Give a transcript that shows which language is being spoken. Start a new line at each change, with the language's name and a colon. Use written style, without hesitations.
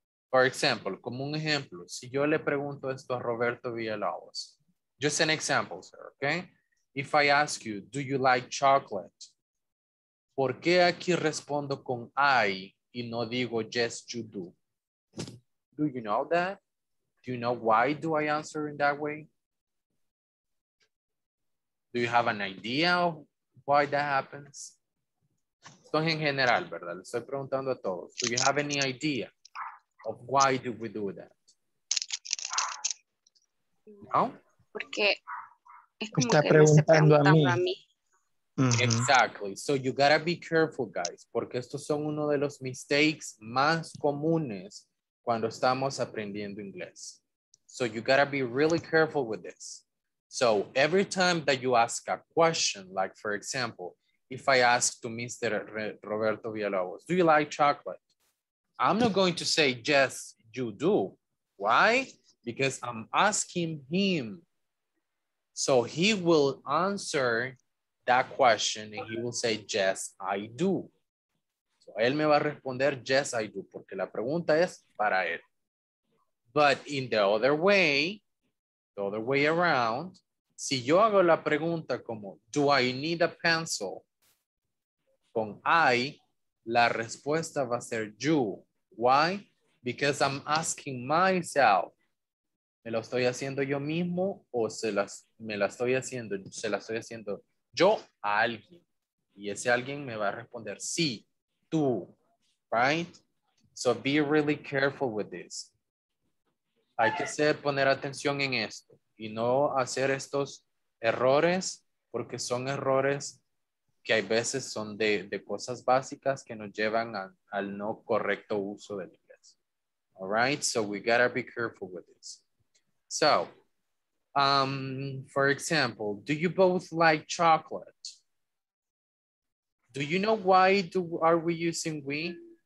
English: For example,
Spanish: como un ejemplo, si yo le pregunto esto a Roberto Villalobos.
English: Just an example, sir, okay? If I ask you, do you like chocolate?
Spanish: ¿Por qué aquí respondo con I y no digo
English: yes, you do? Do you know that? Do you know why do I answer in that way? Do you have an idea of why that happens?
Spanish: Esto en general, ¿verdad? Le estoy preguntando a todos.
English: Do you have any idea of why do we do that? No?
Spanish: Porque es como está que preguntando se pregunta a mí.
English: Uh-huh. Exactly. So you gotta be careful, guys.
Spanish: Porque estos son uno de los mistakes más comunes cuando estamos aprendiendo inglés.
English: So you gotta be really careful with this. So every time that you ask a question, like for example, if I ask to Mr. Roberto Villalobos, do you like chocolate? I'm not going to say, yes, you do. Why? Because I'm asking him. So he will answer that question and he will say, yes, I do.
Spanish: So él me va a responder,
English: yes, I do,
Spanish: porque la pregunta es para él.
English: But in the other way around,
Spanish: si yo hago la pregunta como,
English: do I need a pencil?
Spanish: Con I, la respuesta va a ser you. Why?
English: Because I'm asking myself.
Spanish: ¿Me lo estoy haciendo yo mismo o se la estoy haciendo yo a alguien? Y ese alguien me va a responder, sí, tú. Right?
English: So be really careful with this.
Spanish: Hay que poner atención en esto y no hacer estos errores porque son errores que hay veces son de cosas básicas que nos llevan al no correcto uso del inglés.
English: All right, so we gotta be careful with this. So, for example, do you both like chocolate? Do you know why are we using we?